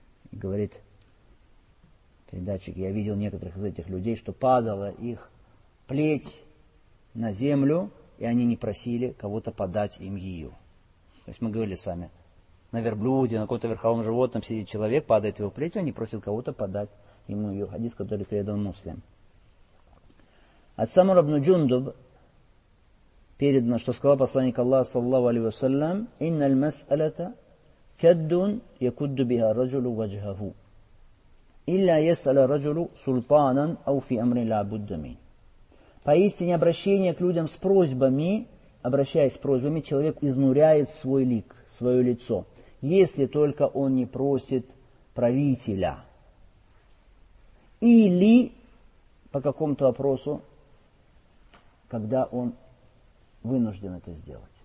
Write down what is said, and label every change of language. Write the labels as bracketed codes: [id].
[ru] И говорит передатчик: я видел некоторых из этих людей, что падала их плеть на землю, и они не просили кого-то подать им ее. То есть мы говорили с вами, на верблюде, на каком-то верховом животном сидит человек, падает его плеть, и он не просит кого-то подать ему ее. Хадис, который передал Муслим. От Самура ибн Джундуб передано, что сказал посланник Аллаха, саллаллаху алейхи вассалям: [ar] «Инналь мас'алата كَدُّنْ يَكُدُّ بِهَا رَجُلُ وَجْهَهُ إِلَّا يَسْأَلَ رَجُلُ سُلْطَانًا أَوْ فِي أَمْرِ لَا بُدَّ مِنْ. [ru] Поистине обращение к людям с просьбами, обращаясь с просьбами, человек изнуряет свой лик, свое лицо, если только он не просит правителя или по какому-то вопросу, когда он вынужден это сделать.